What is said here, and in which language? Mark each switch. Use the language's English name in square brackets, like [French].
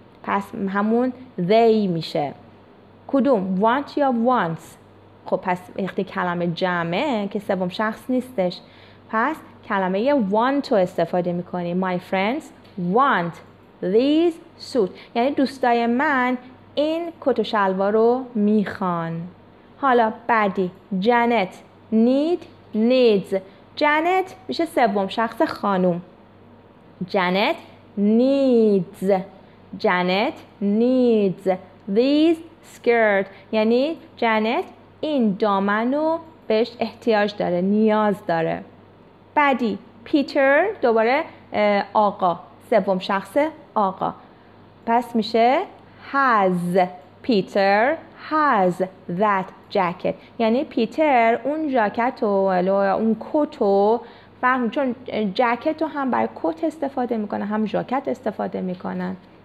[Persian] پس همون they میشه. کدوم؟ want یا wants؟ خب پس وقتی کلمه جمعه که سوم شخص نیستش، پس کلمه want رو استفاده میکنی. [English] My friends want these suits. [Persian] یعنی دوستای من این کت و شلوار رو میخوان. حالا بعدی جنت need needs. جنت میشه سوم شخص خانوم. جنت needs. جنت needs these skirt. یعنی جنت این دامن رو بهش احتیاج داره، نیاز داره. بعدی پیتر، دوباره آقا، سوم شخص آقا، پس میشه has. پیتر has that jacket. یعنی پیتر اون جاکت و اون کت و فهم، چون جاکت رو هم برای کت استفاده میکنه هم جاکت استفاده میکنن.